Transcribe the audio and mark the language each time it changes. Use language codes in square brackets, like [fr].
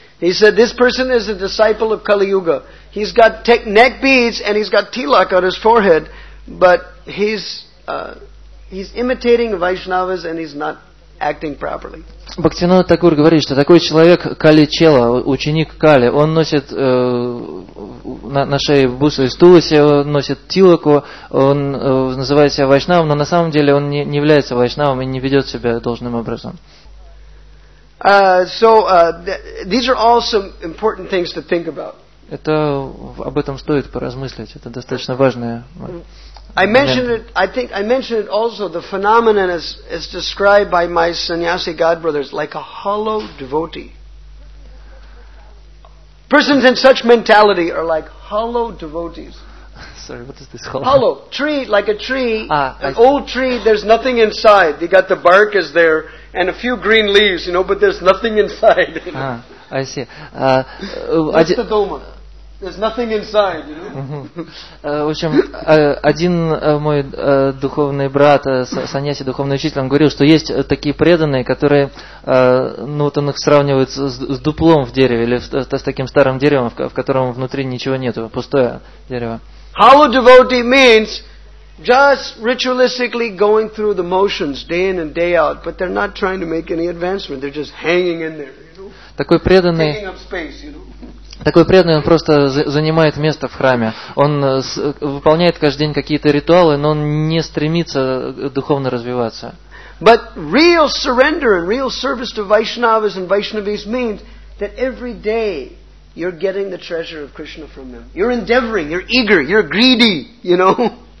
[en] He said, this person is a disciple of Kali Yuga. He's got neck beads and he's got tilak on his forehead, but he's imitating Vaishnavas and he's not acting properly. [ru] Бхактинода Такур говорит, что такой человек Кали Чела, ученик Кали, он носит на шее бусу из туласи, он носит тилаку, он называет себя Вайшнавом, но на самом деле он не является Вайшнавом и не ведет себя должным образом. [en] These are all some important things to think about. [ru] Это об этом стоит поразмыслить. Это достаточно важное. [en] I mentioned it also, the phenomenon is described by my sannyasi godbrothers like a hollow devotee. Persons in such mentality are like hollow devotees. Sorry, what is this called? Hollow. Tree, like a tree. Old tree, there's nothing inside. You got the bark is there and a few green leaves, you know, but there's nothing inside. I see. That's the dhamma. There's nothing inside, you know? [ru] В общем, один мой духовный брат, саньяси, духовный учитель, он говорил, что есть такие преданные, которые, ну вот он их сравнивает с дуплом в дереве, или с таким старым деревом, в котором внутри ничего нету, пустое дерево. [en] Hollow devotee means just ritualistically going through the motions day in and day out, but they're not trying to make any advancement. They're just hanging in there, you know? [ru] Такой преданный, он просто занимает место в храме. Он выполняет каждый день какие-то ритуалы, но он не стремится духовно развиваться. [en] But real surrender and real service to Vaishnavas and Vaishnavis means that every day you're getting the treasure of Krishna from them. You're endeavoring, you're eager, you're greedy, you know?